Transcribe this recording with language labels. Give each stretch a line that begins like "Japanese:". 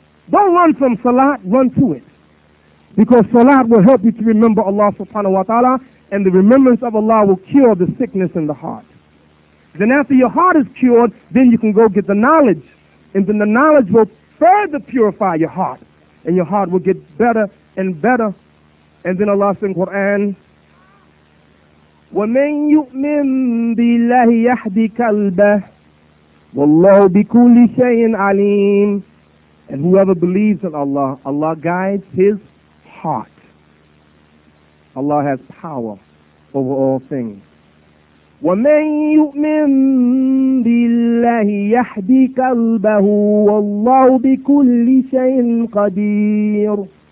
English: Don't run from salat, run to it. Because salat will help you to remember Allah subhanahu wa ta'ala, and the remembrance of Allah will cure the sickness in the heart. Then after your heart is cured, then you can go get the knowledge. And then the knowledge will further purify your heart. And your heart will get better and better. And then Allah says in Quran,
Arabic: وَمَنْ يُؤْمِنْ بِاللَّهِ يَحْدِي قَلْبَهِ وَاللَّهُ بِكُلِّ شَيْءٍ عَلِيمٍ.
English: And whoever believes in Allah, Allah guides his heart. Allah has power over all things.
Arabic: وَمَنْ يُؤْمِنْ بِاللَّهِ يَحْدِي قَلْبَهُ وَاللَّهُ بِكُلِّ شَيْءٍ قَدِيرٌ.